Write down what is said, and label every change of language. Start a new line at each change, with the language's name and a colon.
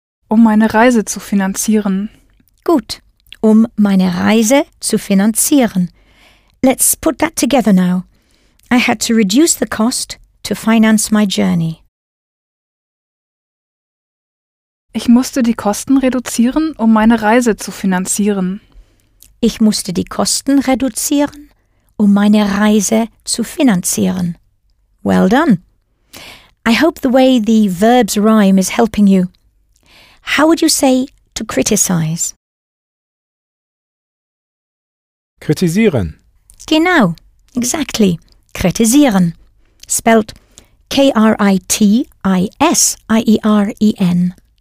German: Meine Reise zu finanzieren. Gut. Meine Reise zu finanzieren.
English: Let's put that together now. I had to reduce the cost to finance my journey.
German: Ich musste die Kosten reduzieren, meine Reise zu finanzieren. Ich musste die Kosten reduzieren, meine Reise zu finanzieren.
English: Well done. I hope the way the verbs rhyme is helping you. How would you say to criticize?
German: Kritisieren.
English: Genau, exactly. Kritisieren. Spelt K-R-I-T-I-S-I-E-R-E-N.